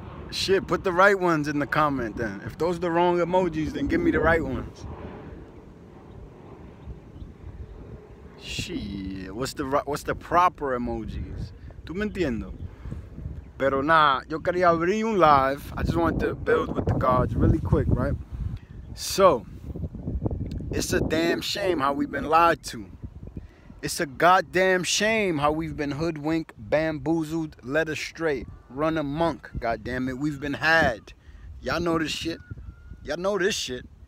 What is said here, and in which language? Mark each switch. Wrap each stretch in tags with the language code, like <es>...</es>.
<en>Shit, put the right ones in the comment then. If those are the wrong emojis, then give me the right ones. Shit, what's the proper emojis?</en> <es>Tú me entiendo. Pero nah, yo quería abrir un live.</es> <en>I just wanted to build with the gods really quick, right? So, it's a damn shame how we've been lied to. It's a goddamn shame how we've been hoodwinked, bamboozled, led astray. Run a monk, goddamn it. We've been had. Y'all know this shit. Y'all know this shit.</en>